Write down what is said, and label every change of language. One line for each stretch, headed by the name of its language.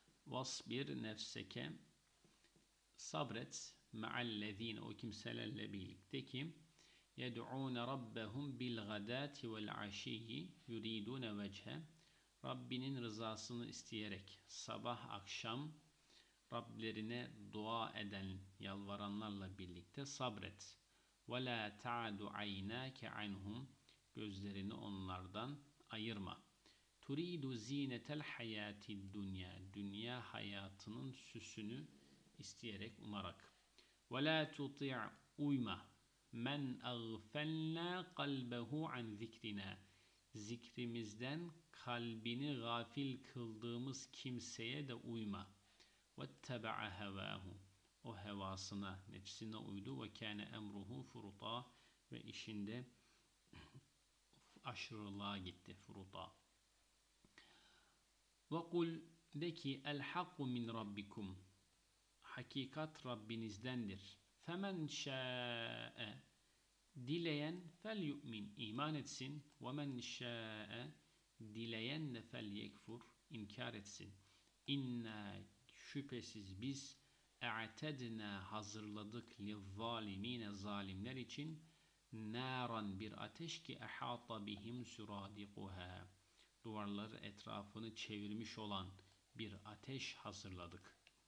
Arabic: Vasbir nefseke
Turkish: sabret ma'allezine o kimselerle birlikte ki
Arabic: yed'ûne rabbehum bil gadâti vel aşiyyi yurîdûne vechhe
Turkish: Rabbinin rızasını isteyerek sabah akşam Rablerine dua eden yalvaranlarla birlikte sabret.
Arabic: وَلَا تَعَدُ عَيْنَاكَ عَنْهُمْ
Turkish: gözlerini onlardan ayırma.
Arabic: تُرِيدُ زِينَةَ الْحَيَاتِ الدُّنْيَا
Turkish: dünya hayatının süsünü isteyerek umarak.
Arabic: وَلَا تُطِعْ
Turkish: uyma.
Arabic: مَنْ أَغْفَلْنَا قَلْبَهُ عَنْ ذِكْرِنَا
Turkish: zikrimizden kalbini gafil kıldığımız kimseye de uyma.
Arabic: وَاتَّبَعَ هَوَاهُ
Turkish: o hevasına, nefsine uydu.
Arabic: وَكَانَ اَمْرُهُ فُرُطَى
Turkish: ve işinde aşırılığa gitti.
Arabic: فُرُطَى وَقُلْ
Turkish: de ki
Arabic: الْحَقُّ مِنْ رَبِّكُمْ
Turkish: hakikat Rabbinizdendir.
Arabic: فَمَنْ شَاءَ
Turkish: dileyen
Arabic: فَلْيُؤْمِنْ
Turkish: iman etsin.
Arabic: وَمَنْ شَاءَ
Turkish: dileyen
Arabic: فَلْيَكْفُرْ
Turkish: inkar etsin.
Arabic: اِنَّا
Turkish: şüphesiz biz
Arabic: e'tedne
Turkish: hazırladık
Arabic: li'z-zalimine
Turkish: zalimler için
Arabic: naran
Turkish: bir ateş ki
Arabic: ehata bihim suradiquha
Turkish: duvarları etrafını çevirmiş olan bir ateş hazırladık.